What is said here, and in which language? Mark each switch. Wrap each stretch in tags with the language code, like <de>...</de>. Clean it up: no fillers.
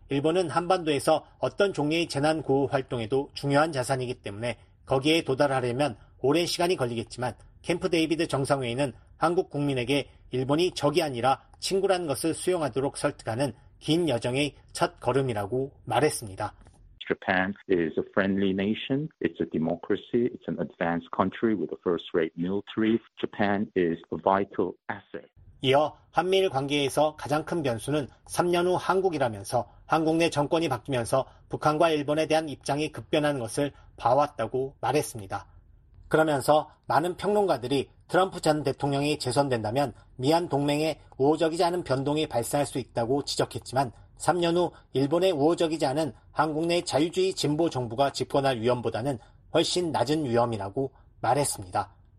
<ko>일본은 한반도에서 어떤 종류의 재난구호 활동에도 중요한 자산이기 때문에 거기에 도달하려면 오랜 시간이 걸리겠지만 캠프 데이비드 정상회의는 한국 국민에게 일본이 적이 아니라 친구라는 것을 수용하도록 설득하는 긴 여정의 첫 걸음이라고 말했습니다.</ko> <en>Japan is a friendly nation. It's a democracy. It's an advanced country with a first-rate military. Japan is a vital asset.</en> <ko>이어 한미일 관계에서 가장 큰 변수는 3년 후 한국이라면서 한국 내 정권이 바뀌면서 북한과 일본에 대한 입장이 급변하는 것을 봐왔다고 말했습니다. 그러면서 많은 평론가들이 트럼프 전 대통령이 재선된다면 미한 동맹의 우호적이지 않은 변동이 발생할 수 있다고 지적했지만 3년 후 일본의 우호적이지 않은 한국 내 자유주의 진보 정부가 집권할 위험보다는 훨씬 낮은 위험이라고 말했습니다.</ko>